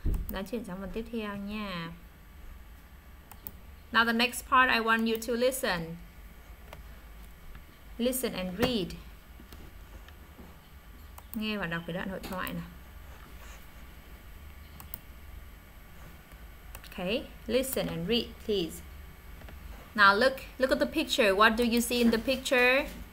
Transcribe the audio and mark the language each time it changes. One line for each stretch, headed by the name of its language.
Vietnamese: Đã chuyển sang phần tiếp theo nha.
English: Now the next part I want you to listen. Listen and read.
Vietnamese: Nghe và đọc cái đoạn hội thoại nào.
English: Okay, listen and read please. Now look at the picture. What do you see in the picture?